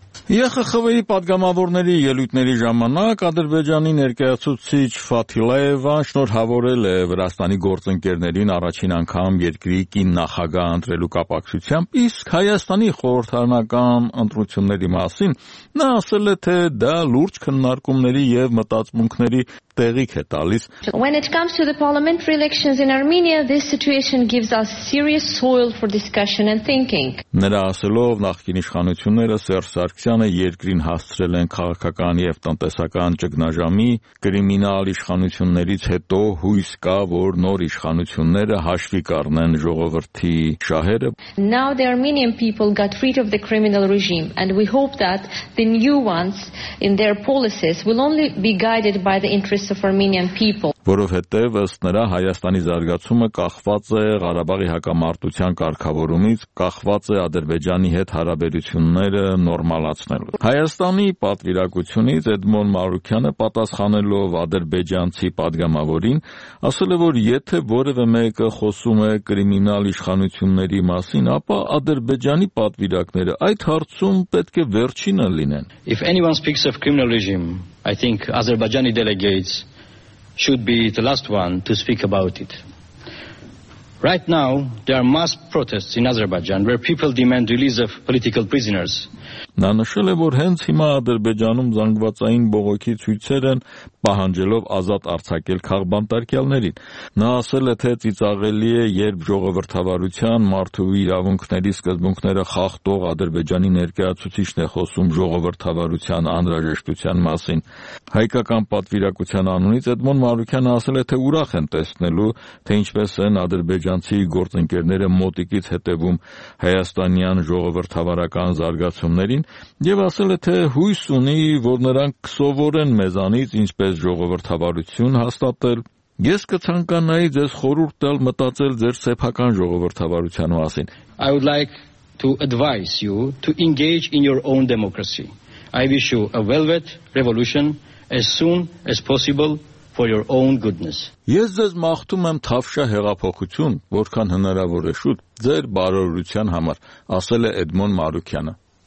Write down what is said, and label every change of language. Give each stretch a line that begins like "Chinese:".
Armenian: ԵԽԽՎ-ի պատգամավորների ելույթների ժամանակ Ադրբեջանի ներկայացուցիչ Ֆաթիլաևան շնորհավորել է Վրաստանի գործընկերներին առաջին անգամ երկրի կին նախագահ ընտրելու կապակցությամբ, իսկ Հայաստանի խորհրդարանական ընտրությունների մասին նա ասել է, թե դա լուրջ քննարկումների և մտածմունքների տեղիք է տալիս.
English: When it comes to the parliamentary elections in Armenia, this situation gives us serious soil for discussion and thinking.
Armenian: Նրա ասելով, նախկին իշխանությունները Սերժ Սարգսյանը երկրին հասցրել են քաղաքական և տնտեսական ճգնաժամի, կրիմինալ իշխանություններից հետո հույս կա, որ նոր իշխանությունները հաշվի կառնեն ժողովրդի շահերը.
English: Now the Armenian people got rid of the criminal regime and we hope that the new ones in their policies will only be guided by the
Armenian: Որովհետև ըստ նրա Հայաստանի զարգացումը կախված է Ղարաբաղի հակամարտության կարգավորումից, կախված է Ադրբեջանի հետ հարաբերությունները նորմալացնելու։ Հայաստանի պատվիրակությունից Էդմոն Մարուկյանը պատասխանելով ադրբեջանցի պատգամավորին ասել է, որ եթե որևէ մեկը խոսում է կրիմինալ իշխանությունների մասին, ապա Ադրբեջանի պատվիրակները այդ հարցում պետք է վերջինը լինեն։
English: If anyone speaks of criminal regime, I think Azerbaijani delegates should be the last one to speak about it. Right now, there are mass protests in Azerbaijan where people demand release of political prisoners.
Armenian: Նա նշել է, որ հենց հիմա Ադրբեջանում զանգվածային բողոքի ցույցեր են պահանջելով ազատ արձակել քաղբանտարկյալներին։ Նա ասել է, թե ծիծաղելի է, երբ ժողովրդավարության մարդու իրավունքների սկզբունքները խախտող Ադրբեջանի ներկայացուցիչն է խոսում ժողովրդավարության անհրաժեշտության մասին։ Հայկական պատվիրակության անունից Էդմոն Մարուկյանը ասել է, թե ուրախ են տեսնելու, թե ինչպես են ադրբեջանցի գործընկերները մոտիկից հետևում հայաստանյան ժողովրդավարական զարգացումներին, և ասել է, թե հույս ունի, որ նրանք կսովորեն մեզանից ինչպես ժողովրդավարություն հաստատել։ Ես կցանկանայի ձեզ խորհուրդ տալ մտածել ձեր սեփական ժողովրդավարության մասին։
English: I would like to advise you to engage in your own democracy. I wish you a velvet revolution as soon as possible for your own goodness.
Armenian: Ես ձեզ մաղթում եմ թավշա հեղափոխություն, որքան հնարավոր է շուտ, ձեր բարօրության համար, ասել է Էդմոն Մարուկյանը։